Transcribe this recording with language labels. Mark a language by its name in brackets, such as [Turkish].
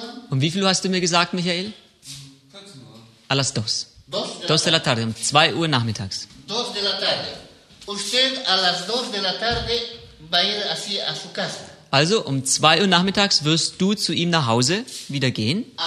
[German] Um wie viel Uhr hast du mir gesagt, Michael? [Spanish] A las dos. Dos de la tarde, [German] um 2 Uhr nachmittags. [Spanish] Dos de la tarde. Usted a las dos de la tarde va a ir así a su casa. [German] Also um 2 Uhr nachmittags wirst du zu ihm nach Hause wieder gehen.